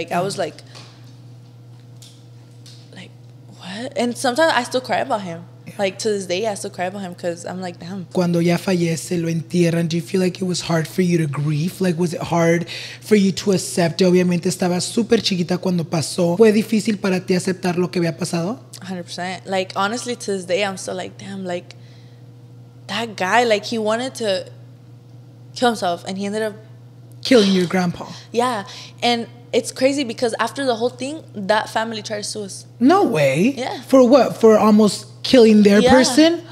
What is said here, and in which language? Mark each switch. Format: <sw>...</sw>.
<en>Like, I was like, what? And sometimes I still cry about him. Like, to this day, I still cry about him because I'm like, damn.</en> <es>Cuando ya fallece, lo entierran.</es> <en>Do you feel like it was hard for you to grieve? Like, was it hard for you to accept?</en> <es>Obviamente, estaba super chiquita cuando pasó. ¿Fue difícil para ti aceptar lo que había pasado?</es> <en>100%. Like, honestly, to this day, I'm still like, damn, like, that guy, like, he wanted to kill himself. And he ended up killing your grandpa. Yeah. And it's crazy because after the whole thing, that family tried to sue us. No way. Yeah. For what? For almost killing their, yeah, person?</en>